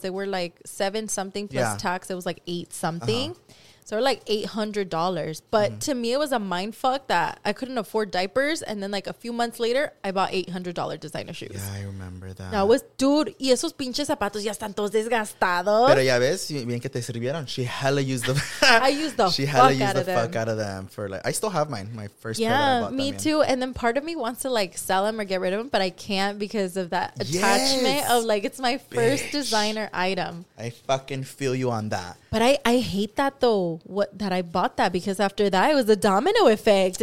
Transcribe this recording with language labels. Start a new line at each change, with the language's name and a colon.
English: They were like $7 something plus tax. It was like $8 something. Uh-huh. So they're like $800. But to me, it was a mind fuck that I couldn't afford diapers. And then like a few months later, I bought $800 designer shoes. Yeah, I remember that. That was, dude,
Spanish: y esos pinches zapatos ya están todos desgastados. Pero ya ves, bien que te sirvieron.
English: She hella used them. I used the fuck out of them. She hella used the fuck out of them. For like, I still have mine, my first pair that I bought. Me too. And then part of me wants to like sell them or get rid of them, but I can't because of that attachment of like, it's my first designer item. I fucking feel you on that. But I hate that though, that I bought that because after that it was a domino effect.